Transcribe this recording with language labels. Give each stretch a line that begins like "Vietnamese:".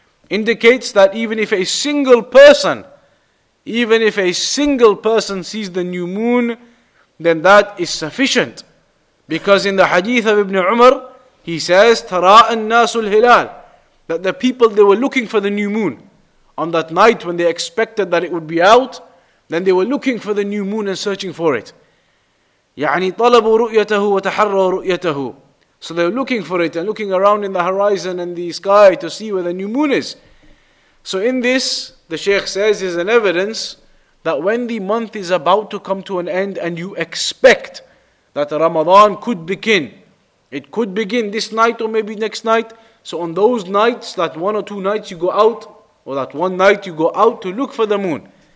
English: Indicates that even if a single person sees the new moon, then that is sufficient. Because in the hadith of Ibn Umar, he says, "Tara an-nasul hilal," that the people, they were looking for the new moon. On that night when they expected that it would be out, then they were looking for the new moon and searching for it.
Arabic: يعني طلبوا رؤيته وتحروا رؤيته.
English: So they were looking for it and looking around in the horizon and the sky to see where the new moon is. So in this, the Shaykh says, is an evidence that when the month is about to come to an end and you expect that Ramadan could begin, it could begin this night or maybe next night, so on those nights, that one or two nights you go out, or that one night you go out to look for the moon.